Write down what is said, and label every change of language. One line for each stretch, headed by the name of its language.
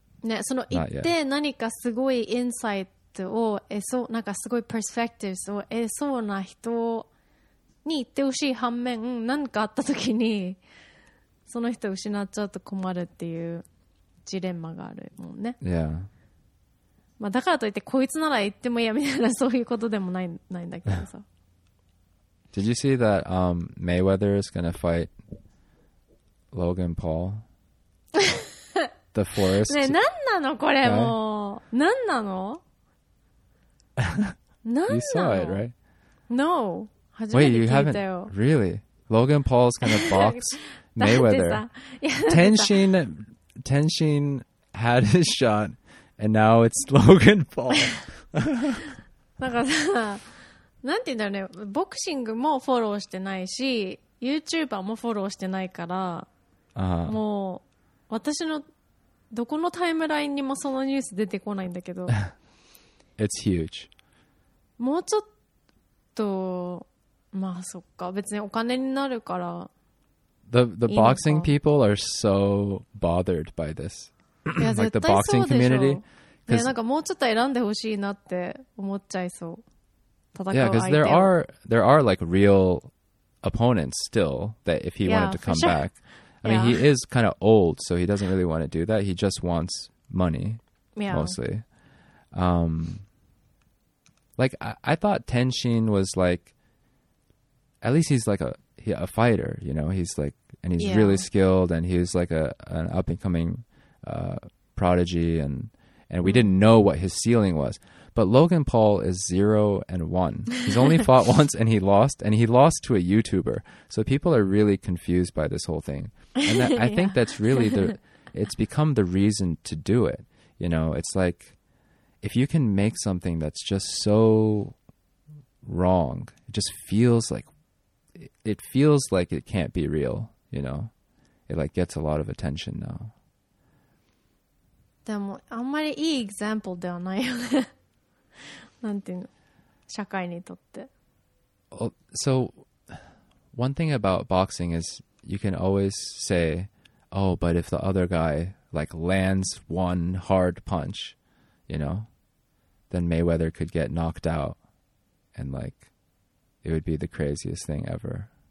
Japanese: ね、 その行って何かすごいインサイトを得そう、なんかすごいperspectives を得そうな人に行ってほしい反面、何かあった時にその人を失っちゃうと困るっていうジレンマがあるもんね。
English: Yeah.
Japanese: まあ、だからといってこいつなら言ってもいいやみたいなそういうことでもないんだけどさ。
English: Did you see that Mayweather is gonna fight Logan Paul? The Forest?
Japanese: ねえ、なんなのこれ、
English: guy?
Japanese: もう。なんなの なんなの
English: You saw it, right?
Japanese: No. 初めて聞いたよ。
English: Wait, you haven't? Really? Logan Paul's gonna box Mayweather. Tenshin had his shot, and now it's Logan Paul.
Japanese: なんかさ、なんて言うんだろうね、ボクシングもフォローしてないし、YouTuber もフォローしてないから、もう私のどこのタイムラインにもそのニュース出てこないんだけど。
English: It's huge.
Japanese: もうちょっと、まあそっか、別にお金になるから。
English: The boxing people are so bothered by this. like the boxing community.
Japanese: いやなんかもうちょっと選んでほしいなって思っちゃいそう。戦う相手。
English: Yeah, there are like real opponents still that if he wanted to come back. I mean, he is kind of old, so he doesn't really want to do that. He just wants money, mostly. Like, I thought Tenshin was like, at least he's like a fighter, you know? He's like, and he's really skilled, and he's like an up-and-coming prodigy, and we didn't know what his ceiling was. But Logan Paul is 0-1. He's only fought once and he lost. And he lost to a YouTuber. So people are really confused by this whole thing. And that, I think that's really it's become the reason to do it. You know, it's like, if you can make something that's just so wrong, it just feels like, it feels like it can't be real, you know. It like gets a lot of attention now.
Japanese: でもあんまりいいエグザンプルではないよね。なんていうの、社会にとって。
English: So, one thing about boxing is you can always say, oh, but if the other guy like lands one hard punch, you know, then Mayweather could get knocked out and like it would be the craziest thing ever.